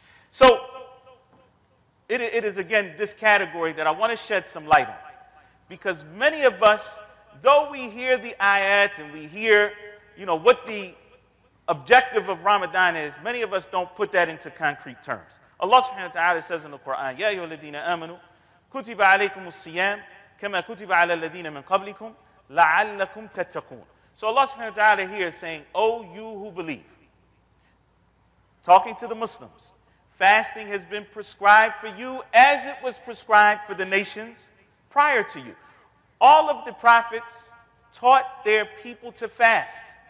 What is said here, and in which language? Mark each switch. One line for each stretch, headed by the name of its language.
English: So it is, again, this category that I want to shed some light on. Because many of us, though we hear the ayat and we hear, you know, what the objective of Ramadan is, many of us don't put that into concrete terms. Allah subhanahu wa ta'ala says in the Quran,
Arabic: يَا أَيُّهَا الَّذِينَ آمَنُوا كُتِبَ عَلَيْكُمُ الصِّيَامُ كَمَا كُتِبَ عَلَى الَّذِينَ مِنْ قَبْلِكُمْ لَعَلَّكُمْ تَتَّقُونَ.
English: So Allah subhanahu wa ta'ala here is saying, O you who believe, talking to the Muslims, fasting has been prescribed for you as it was prescribed for the nations prior to you. All of the prophets taught their people to fast.